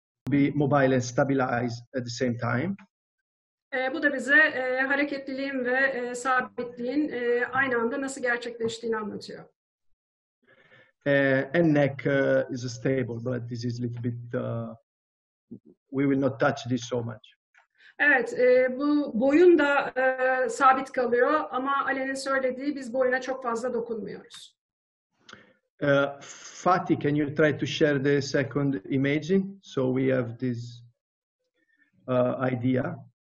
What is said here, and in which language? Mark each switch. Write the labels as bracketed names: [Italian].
[English] Be mobile and stabilize at the same time. [Turkish] Bu da bize hareketliliğin ve sabitliğin aynı anda nasıl gerçekleştiğini anlatıyor. [English] And neck is stable, but this is a little bit, we will not touch this so much. [Turkish] Evet, bu boyun da sabit kalıyor ama Alen'in söylediği biz boyuna çok fazla dokunmuyoruz. [English] Fatih, can you try to share the second image so we have this idea?